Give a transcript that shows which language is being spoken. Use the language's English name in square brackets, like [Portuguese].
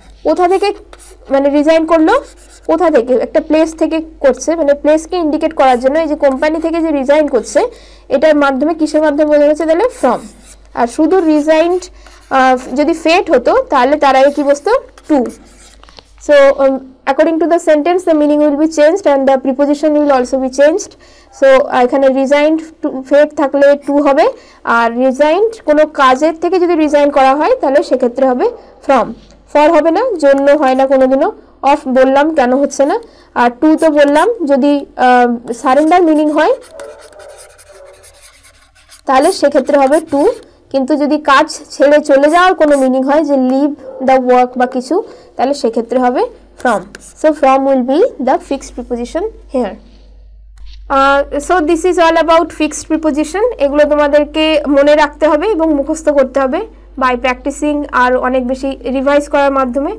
[Bangla] কোথা থেকে মানে রিজাইন করলো, কোথা থেকে, একটা প্লেস থেকে করছে, মানে প্লেসকে ইন্ডিকেট করার জন্য এই যে কোম্পানি থেকে যে রিজাইন করছে এটার মাধ্যমে, কিসের মাধ্যমে বোঝা যাচ্ছে তাহলে, ফ্রম। আর শুধু রিজাইন্ড যদি ফেট হতো তাহলে তার আগে কী বসতো, two. So [English] according to the sentence, the meaning will be changed and the preposition will also be changed. [Bangla] So, এখানে resigned to fate থাকলে to হবে আর resigned কোনো কাজের থেকে যদি resign করা হয় তাহলে সেক্ষেত্রে হবে from. For হবে না, জন্য হয় না কোনোদিনও. Of বললাম কেন হচ্ছে না, আর to তো বললাম যদি surrender meaning হয় তাহলে সেক্ষেত্রে হবে to. কিন্তু যদি কাজ ছেড়ে চলে যাওয়ার কোনো meaning হয় যে leave the work বা কিছু তাহলে সেক্ষেত্রে হবে from. [English] So from will be the fixed preposition here. So this is all about fixed preposition. [Bangla] এগুলো তোমাদেরকে মনে রাখতে হবে এবং মুখস্থ করতে হবে [English] by practicing [Bangla] আর অনেক বেশি revise করার মাধ্যমে.